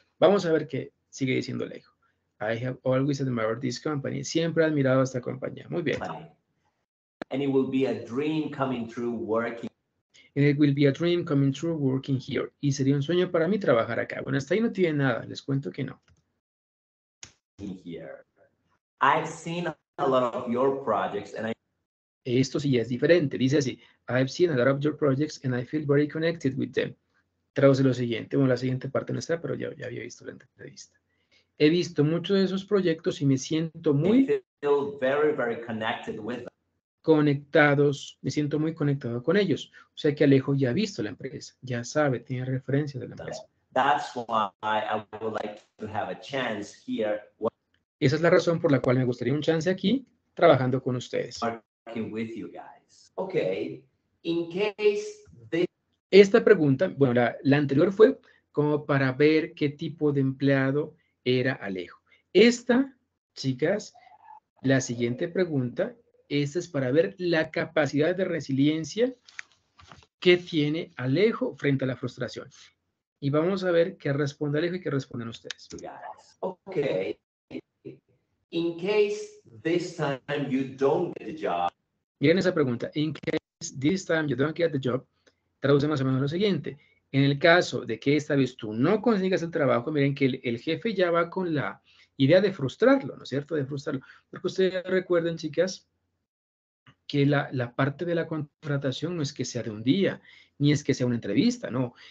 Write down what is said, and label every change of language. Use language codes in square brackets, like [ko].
[es] Vamos a ver qué sigue diciendo Alejo. [en] I have always admired this company. [es] Siempre he admirado esta compañía. Muy bien. [en] And it will be a dream coming true working. And it will be a dream coming true working here. [es] Y sería un sueño para mí trabajar acá. Bueno, hasta ahí no tiene nada. Les cuento que no. [en] Here. I've seen a lot of your projects and [es] Esto sí ya es diferente. Dice así. [en] I've seen a lot of your projects and I feel very connected with them. [es] Traduce lo siguiente. Bueno, la siguiente parte no está, pero ya había visto la entrevista. He visto muchos de esos proyectos y me siento muy [en] very, very connected with them. [es] Conectados, me siento muy conectado con ellos. O sea que Alejo ya ha visto la empresa, ya sabe, tiene referencia de la empresa. [en] That's why I would like to have a chance here. [es] Esa es la razón por la cual me gustaría un chance aquí, trabajando con ustedes. [en] Working with you guys. Okay. In case [es] esta pregunta, bueno, la anterior fue como para ver qué tipo de empleado era Alejo. Esta, chicas, la siguiente pregunta, esta es para ver la capacidad de resiliencia que tiene Alejo frente a la frustración. Y vamos a ver qué responde Alejo y qué responden ustedes. Ok. [en] In case this time you don't get the job. [es] Miren esa pregunta. [en] In case this time you don't get the job. [es] Traduce más o menos lo siguiente. En el caso de que esta vez tú no consigas el trabajo, miren que el jefe ya va con la idea de frustrarlo, ¿no es cierto? De frustrarlo. Porque ustedes recuerden, chicas, que la parte de la contratación no es que sea de un día, ni es que sea una entrevista, ¿no?